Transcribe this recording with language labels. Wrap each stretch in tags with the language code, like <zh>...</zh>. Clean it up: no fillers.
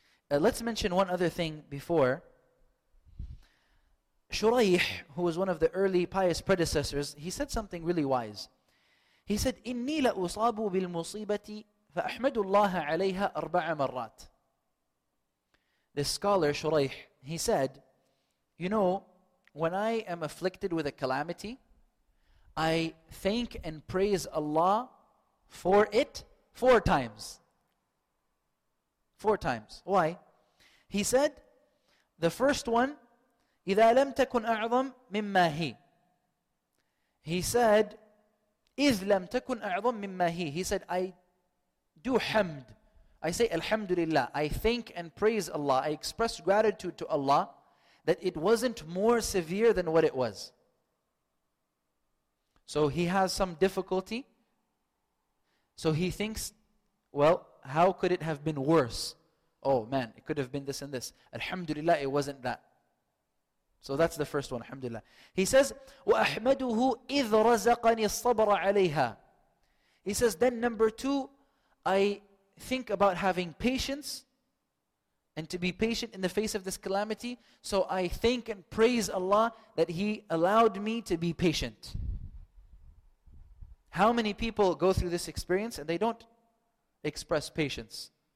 <en>Let's mention one other thing before. Shurayh, who was one of the early pious predecessors, he said something really wise. He said,</en> <ar>إِنِّي لَأُصَابُ بِالْمُصِيبَةِ فَأَحْمَدُ اللَّهَ عَلَيْهَا أَرْبَعَ مَرَّاتٍ.</ar> <en>This scholar, Shurayh, he said, you know, when I am afflicted with a calamity, I thank and praise Allah for it four times. Four times. Why? He said, the first one,</en> <ar>إِذَا لَمْ تَكُنْ أَعْظَمْ مِمَّا هِي.</ar> <en>He said,</en> <ar>إِذْ لَمْ تَكُنْ أَعْظَمْ مِمَّا هِي.</ar> <en>He said, I do hamd. I say Alhamdulillah, I thank and praise Allah, I express gratitude to Allah that it wasn't more severe than what it was. So he has some difficulty. So he thinks, well, how could it have been worse? Oh man, it could have been this and this. Alhamdulillah, it wasn't that. So that's the first one, Alhamdulillah. He says,</en> <ar>وَأَحْمَدُهُ إِذْ رَزَقَنِي الصَّبْرَ عَلَيْهَا.</ar> <en>He says, then number two, I think about having patience and to be patient in the face of this calamity. So I thank and praise Allah that He allowed me to be patient. How many people go through this experience and they don't express patience?</en>